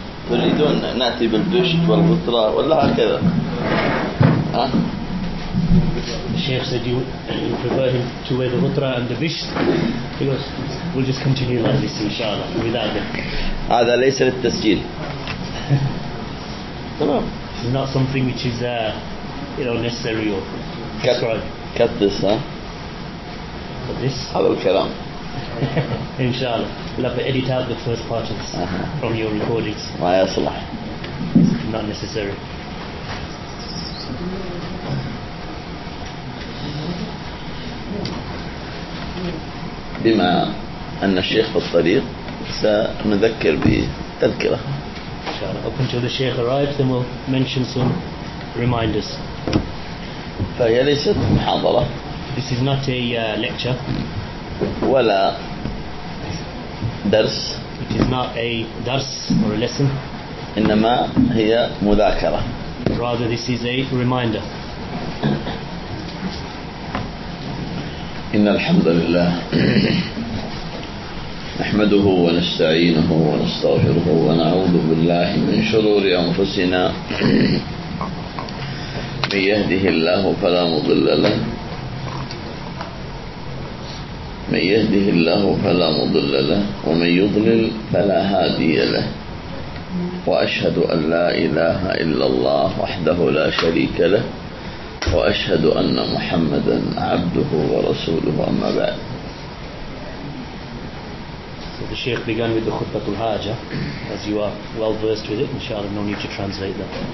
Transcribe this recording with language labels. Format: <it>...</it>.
<ar>تريدون نأتي بالبشت والبطرة ولا هكذا؟ ها؟</ar> <en>Sheikh said you prefer him to wear the hutra and the bish. He goes, we'll just continue like this, inshallah, without them.</en> <ar>هذا ليس للتسجيل. تمام.</ar> <en>It's not something which is, you know, necessary or prescribed. Cut this, huh? For this.</en> <ar>هذا الكلام.</ar> <en>Inshallah, we'll have to edit out the first part of this from your recordings.</en> <ar>ما يصلح.</ar> <en>Not necessary.</en> <ar>بما أن الشيخ في الطريق سنذكر بتذكرة.</ar> <en>Up until the Sheikh arrives, then we'll mention some reminders.</en> <ar>فهي ليست محاضرة.</ar> <en>This is not a lecture.</en> <ar>ولا درس.</ar> <en>It is not a درس or a lesson.</en> <ar>إنما هي مذاكرة.</ar> <en>Rather, this is a reminder.</en> <ar>إن الحمد لله نحمده ونستعينه ونستغفره ونعوذ بالله من شرور أنفسنا من يهده الله فلا مضل له من يهده الله فلا مضل له ومن يضلل فلا هادي له وأشهد أن لا إله إلا الله وحده لا شريك له وأشهد أن محمدا عبده ورسوله أما بعد.</ar> <en>So the Sheikh began with the Khutbah al-Haja, as you are well versed with it, inshallah, no need to translate that.</en>